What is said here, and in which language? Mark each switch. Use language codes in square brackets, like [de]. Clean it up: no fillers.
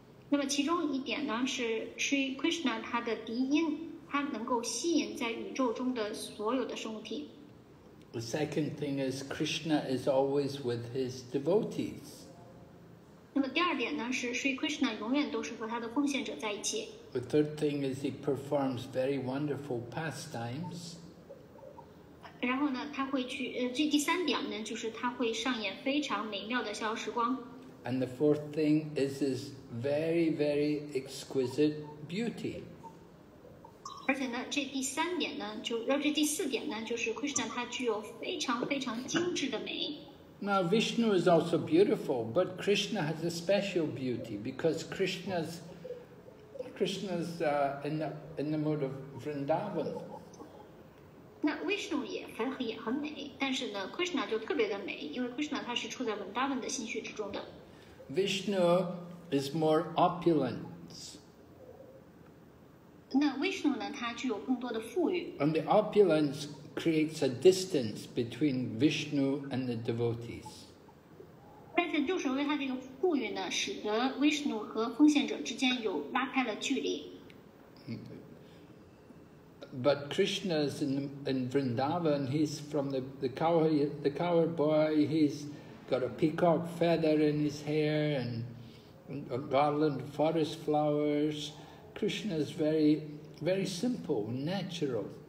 [zh] 那么其中一点呢，是 Sri Krishna 他的笛音，他能够吸引在宇宙中的所有的生物体。 [en] The second thing is Krishna is always with his devotees. [zh] 那么第二点呢，是 Sri Krishna 永远都是和他的奉献者在一起。 [en] The third thing is he performs very wonderful pastimes. [zh] 然后呢，他会去这第三点呢，就是他会上演非常美妙的逍遥时光。 [en] And the fourth thing is his very, very exquisite beauty. [zh] 而且呢，这第三点呢，这第四点呢，就是 Krishna 他具有非常非常精致的美。 [en] Now Vishnu is also beautiful, but Krishna has a special beauty because Krishna's in the mood of Vrindavan. [zh] 那 Vishnu 也很美，但是呢 ，Krishna 就特别的美，因为 Krishna 他是处在 Vrindavan 的心绪之中的。 [en] Vishnu is more opulent. [zh] 那 Vishnu 呢，他具有更多的富裕。 [en] And the opulence creates a distance between Vishnu and the devotees. [zh] 但是就是因为他这个富裕呢，使得 Vishnu 和奉献者之间有拉开了距离。 [en] But Krishna's in Vrindavan, he's from the cowherd boy, he's got a peacock feather in his hair and a garland of forest flowers. Krishna's very, very simple, natural.